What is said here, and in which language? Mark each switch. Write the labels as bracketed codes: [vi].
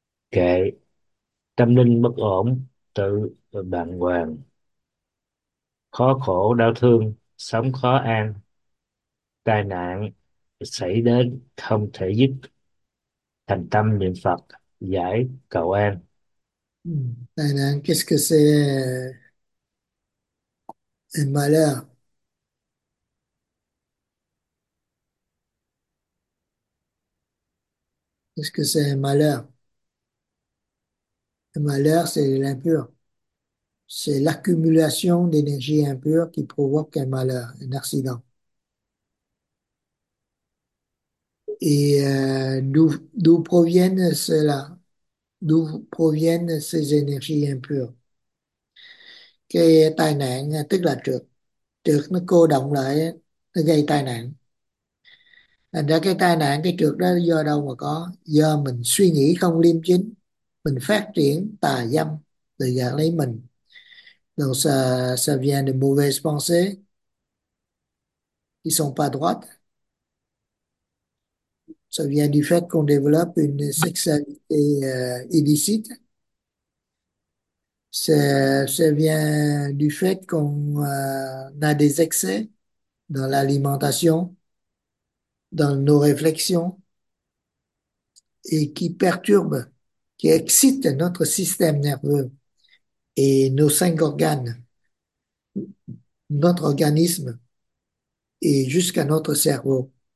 [vi] Kệ: tâm linh bất ổn, tự bàng hoàng, khó khổ đau thương, sống khó an, tai nạn xảy đến không thể dứt, thành tâm niệm Phật giải cầu an. [fr] Tai nạn, qu'est-ce que c'est? Un malheur. Qu'est-ce que c'est un malheur? Un malheur, c'est l'impur. C'est l'accumulation d'énergie impure qui provoque un malheur, un accident. Et d'où proviennent ceux-là? D'où proviennent ces énergies impures? [vi] Cái tai nạn tức là trượt. Trượt nó cô động lại, nó gây tai nạn. Thành ra cái tai nạn, cái trượt đó do đâu mà có? Do mình suy nghĩ không liêm chính, mình phát triển tà dâm, tự gạt lấy mình. [fr] Donc ça vient de mauvaises pensées, qui sont pas droites. Ça vient du fait qu'on développe une sexualité illicite. Ça vient du fait qu'on a des excès dans l'alimentation, dans nos réflexions, et qui perturbent, qui excitent notre système nerveux et nos cinq organes, notre organisme et jusqu'à notre cerveau.